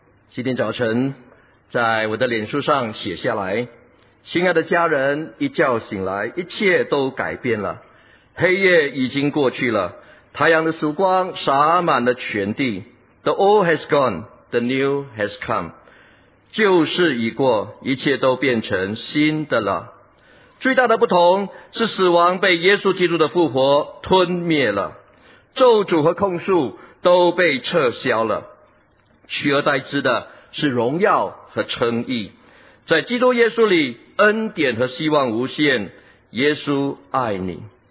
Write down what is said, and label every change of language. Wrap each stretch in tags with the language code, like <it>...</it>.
<zh>今天早晨在我的脸书上写下来，亲爱的家人，一觉醒来一切都改变了，黑夜已经过去了，太阳的曙光洒满了全地。</zh> <en>The old has gone, the new has come,</en> <zh>旧事已过，一切都变成新的了。最大的不同是死亡被耶稣基督的复活吞灭了，咒诅和控诉都被撤销了，取而代之的是荣耀和称义。在基督耶稣里，恩典和希望无限，耶稣爱你。</zh>